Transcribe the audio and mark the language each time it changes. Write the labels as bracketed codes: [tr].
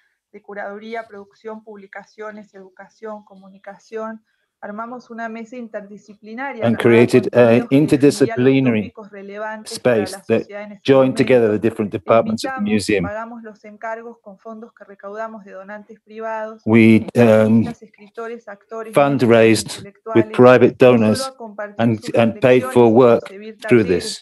[es] De curaduría, producción, publicaciones, educación, comunicación, armamos una mesa interdisciplinaria [en] and created an interdisciplinary space that joined together the different departments of the museum. [es] Pagamos los encargos con fondos que recaudamos de donantes privados. [en] We fundraised with private donors and paid for work through this.